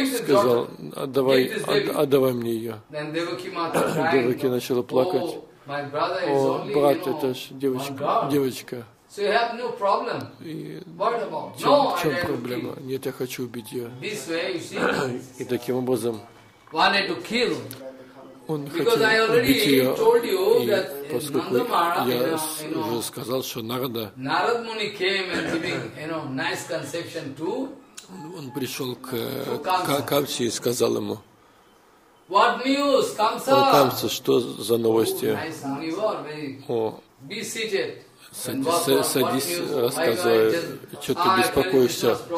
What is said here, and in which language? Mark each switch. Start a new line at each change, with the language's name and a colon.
Russian: И сказал: "Отдавай, отдавай мне ее".
English: Then Devaki mother cried.
Russian: Девочка начала плакать.
English: Oh, my brother is only, you know, one god.
Russian: Девочка.
English: So you have no problem. What about?
Russian: Чем,
English: no,
Russian: в чем проблема?
English: Kill.
Russian: Нет, я хочу убить ее.
English: This way, you see.
Russian: И таким образом.
English: Wanted to kill.
Russian: Он хотел убить ее. И поскольку я уже сказал, что Нарада.
English: Narad Muni came and giving, you know, nice conception to.
Russian: Он пришел к Камсе и сказал ему.
English: What news, Kamsa?
Russian: О, Камсе, что за новости? О.
English: Be seated.
Russian: Садись, рассказывай, что ты беспокоишься.